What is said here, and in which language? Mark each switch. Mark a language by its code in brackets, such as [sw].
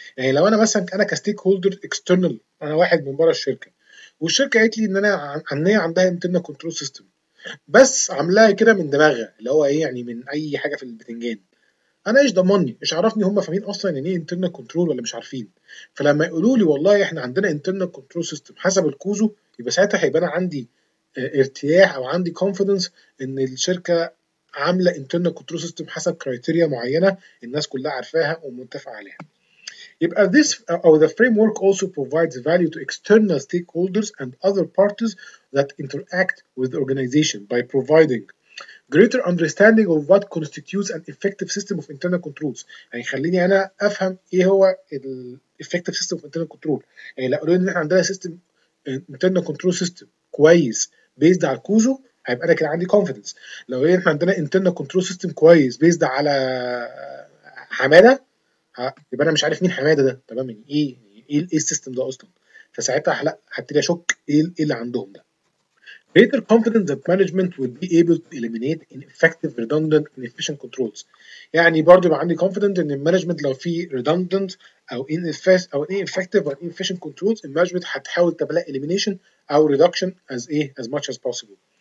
[ar] يعني لو انا مثلا انا كستيك هولدر اكسترنال، انا واحد من بره الشركه، والشركه قالت لي ان انا عندها internal control system بس عاملاها كده من دماغها، اللي هو ايه يعني من اي حاجه في البتنجان، انا ايش ضمني؟ ايش عرفني هم فاهمين اصلا ان ايه internal control ولا مش عارفين؟ فلما يقولوا لي والله احنا عندنا internal control system حسب الكوزو، يبقى ساعتها هيبقى انا عندي ارتياح او عندي confidence ان الشركه عاملة internal control system حسب كريتيريا معينة الناس كلها عارفاها ومتفق عليها. [en] يبقى this or the framework also provides value to external stakeholders and other parties that interact with the organization by providing greater understanding of what constitutes an effective system of internal controls. [ar] يعني خليني أنا أفهم إيه هو ال effective system of internal control. يعني لو قلنا إن إحنا عندنا system internal control system كويس based على كوزو، هيبقى انا كده عندي confidence. لو احنا عندنا internal control system كويس based على حماده، يبقى انا مش عارف مين حماده ده، تمام؟ ايه السيستم ده اصلا؟ فساعتها لا، هبتدي اشك ايه اللي عندهم ده. [en] greater confidence that management would be able to eliminate ineffective, redundant, inefficient controls. [ar] يعني برضو يبقى عندي confident ان management لو في redundant او ineffective or inefficient controls، management هتحاول تبلاقي elimination او reduction [en] as a as much as possible.